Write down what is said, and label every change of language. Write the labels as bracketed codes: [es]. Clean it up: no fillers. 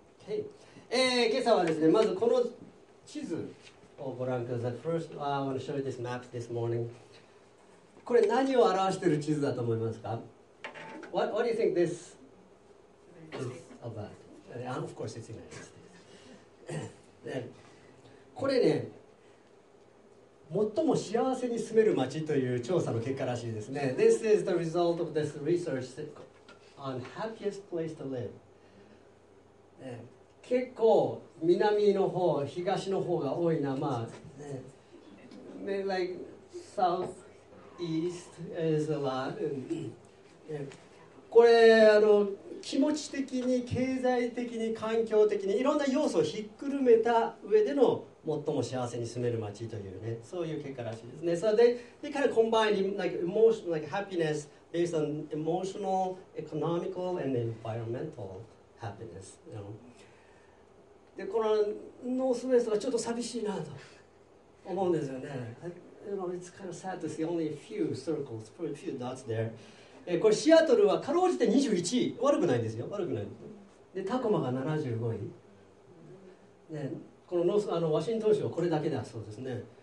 [ja] 今朝はですね、まずこの地図をご覧ください。 [en] First, I want to show you this map this morning. [ja] これ何を表している地図だと思いますか？ [en] What do you think this is about? And of course, it's in United States. [ja] これね、最も幸せに住める街という調査の結果らしいですね。 [en] This is the result of this research on happiest place to live. [ja] 結構南の方、東の方が多いな、まあ、ね、 [en] like south east is a lot. [ja] And, これ気持ち的に経済的に環境的にいろんな要素をひっくるめた上での最も幸せに住める街というね、そういう結果らしいですね。 [en] So they kind of combine like emotion, like happiness based on emotional, economical, and environmental happiness. You know? [ja] でこのノースウェストがちょっと寂しいなと思うんですよね。 [en] You know, it's kind of sad to see only a few circles, a few dots there. [ja] これシアトルはかろうじて21位。悪くないですよ。悪くない。でタコマが75位。ね、このノースワシントン州はこれだけだそうですね。